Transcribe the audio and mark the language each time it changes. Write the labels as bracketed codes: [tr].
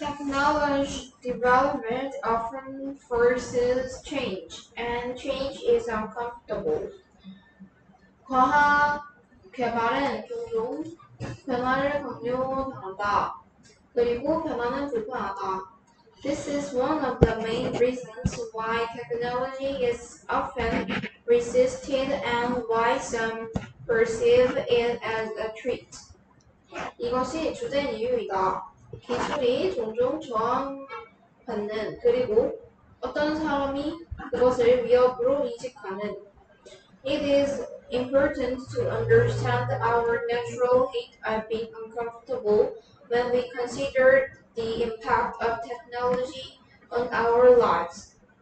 [en] Knowledge development often forces change, and change is uncomfortable. [ko] 과학 개발은 종종 변화를 강요당한다. 그리고 변화는 불편하다. [en] This is one of the main reasons why technology is often resisted and why some perceive it as a threat. [ko] 이것이 주된 이유이다. 기술이 종종 저항받는, 그리고 어떤 사람이 그것을 위협으로 인식하는. [en] It is important to understand our natural state of being uncomfortable when we consider the impact of technology on our lives.